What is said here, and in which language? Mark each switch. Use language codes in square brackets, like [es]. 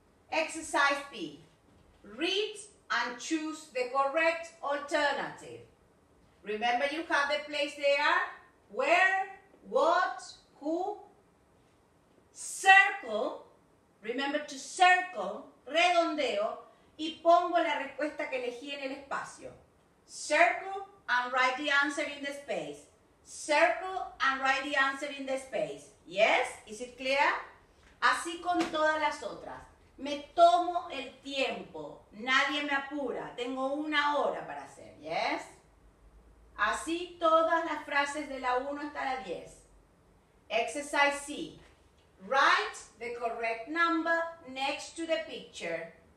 [en] Exercise B. Read and choose the correct alternative. Remember, you have the place there. Where, what, who. Circle. Remember to circle. Redondeo. [es] Y pongo la respuesta que elegí en el espacio. [en] Circle and write the answer in the space. Circle and write the answer in the space. Yes? Is it clear? [es] Así con todas las otras. Me tomo el tiempo, nadie me apura, tengo una hora para hacer, ¿yes? Así todas las frases de la 1 hasta la 10. [en] Exercise C. Write the correct number next to the picture.